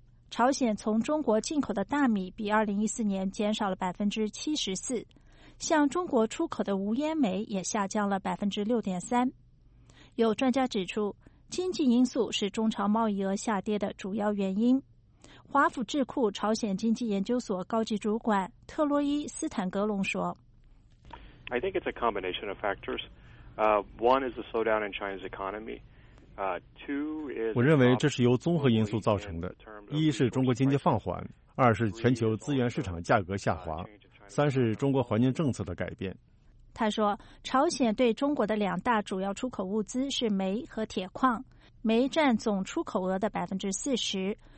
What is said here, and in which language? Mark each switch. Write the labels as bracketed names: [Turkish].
[Chinese] 朝鲜从中国进口的大米比2014年减少了 74%， 向中国出口的无烟煤也下降了 6.3%。有专家指出，经济因素是中朝贸易额下跌的主要原因。华府智库朝鲜经济研究所高级主管特洛伊斯坦格隆说， [English] I think it's a combination of factors. One is the slowdown in China's economy. [Chinese] 我认为这是由综合因素造成的。一是中国经济放缓，二是全球资源市场价格下滑，三是中国环境政策的改变。他说，朝鲜对中国的两大主要出口物资是煤和铁矿，煤占总出口额的40%。